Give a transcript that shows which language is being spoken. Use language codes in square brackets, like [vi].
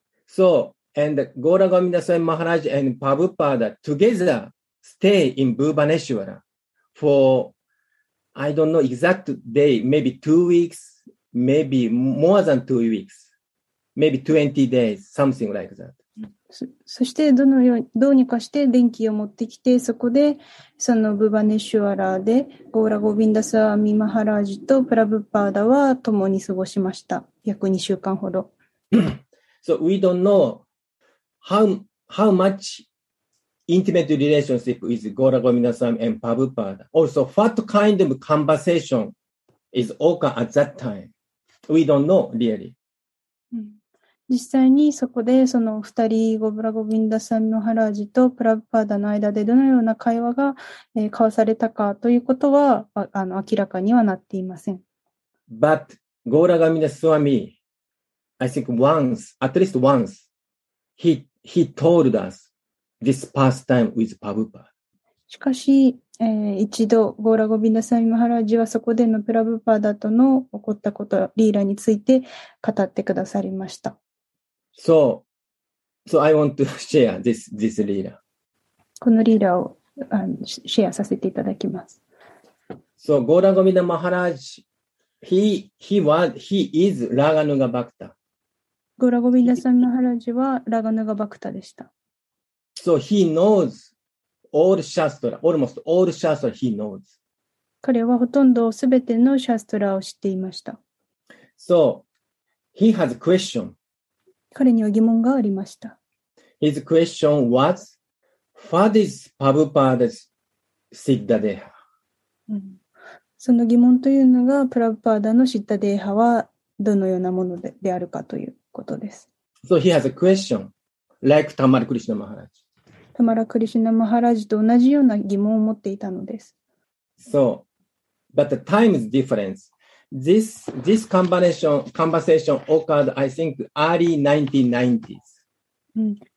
[en] So, and Gaura Govinda Swami Maharaj and Prabhupada together stay in Bhubaneswara for, I don't know exact day, maybe 2 weeks, maybe more than 2 weeks. Maybe 20 days, something like that. [ja] そしてどのようにどうにかして電気を持ってきてそこでそのブバネシュワラでゴーラゴビンダスワミマハラージとプラブパーダは共に過ごしました。約2週間ほど。 [en] So we don't know how much intimate relationship is Gaura Govinda Swami and Prabhupada. Also, what kind of conversation is occur at that time? We don't know really. [ja] 実際にそこでその2人ゴブラゴビンダさんのハラージとプラブパーダの間でどのような会話が、交わされたかということは明らかにはなっていません。 [en] But ゴーラガミダスワミ I think once at least once he told us this pastime with Prabhupada。 [ja] しかし、一度ゴーラゴビンダスワミハラージはそこでのプラブパーダとの起こったことリーラについて語ってくださりました。 [en] So I want to share this leader. [ja] このリーダーをシェアさせていただきます。 [en] So, Gaura Govinda Maharaj, he is Raganuga Bhakta. [ja] Gaura Govinda Swami Maharaj は Raganuga Bhakta でした。 [en] So he knows all Shastra, almost all Shastra he knows. [ja] 彼はほとんどすべてのシャストラを知っていました。 [en] So, he has a question. [ja] 彼には疑問がありました。 [en] His question was, what is Prabhupada's Siddha Deha?、 [ja] その疑問というのが、プラブパーダのシッダデーハはどのようなもので、であるかということです。 [en] So he has a question, like Tamara Krishna Maharaj. [ja] Tamara Krishna Maharaj と同じような疑問を持っていたのです。 [en] So, but the time is different. This conversation occurred, I think, early 1990s.、